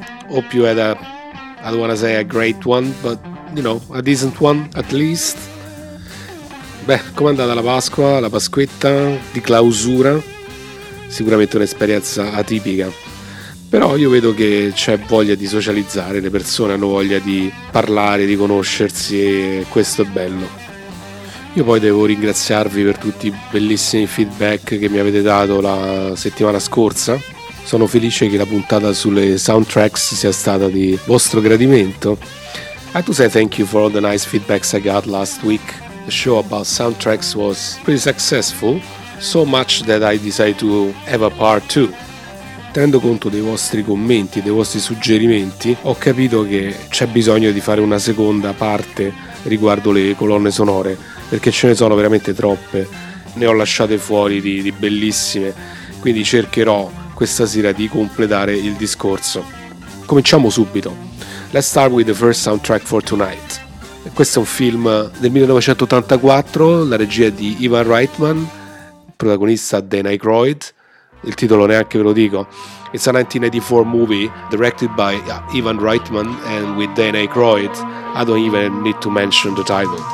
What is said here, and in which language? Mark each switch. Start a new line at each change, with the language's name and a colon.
English: Hope you had a, I don't want to say a great one, but you know, a decent one at least.
Italian: Beh, com'è andata la Pasqua, la Pasquetta di clausura? Sicuramente un'esperienza atipica. Però io vedo che c'è voglia di socializzare, le persone hanno voglia di parlare, di conoscersi, e questo è bello. Io poi devo ringraziarvi per tutti i bellissimi feedback che mi avete dato la settimana scorsa. Sono felice che la puntata sulle soundtracks sia stata di vostro gradimento.
English: I have to say thank you for all the nice feedbacks I got last week. The show about soundtracks was pretty successful, so much that I decided to have a part 2.
Italian: Tenendo conto dei vostri commenti, dei vostri suggerimenti, ho capito che c'è bisogno di fare una seconda parte riguardo le colonne sonore, perché ce ne sono veramente troppe, ne ho lasciate fuori di bellissime, quindi cercherò questa sera di completare il discorso. Cominciamo subito.
English: Let's start with the first soundtrack for tonight.
Italian: Questo è un film del 1984, la regia di Ivan Reitman, protagonista Dan Aykroyd. Il titolo neanche ve lo dico.
English: It's a 1984 movie directed by Ivan Reitman and with Dan Aykroyd. I don't even need to mention the title.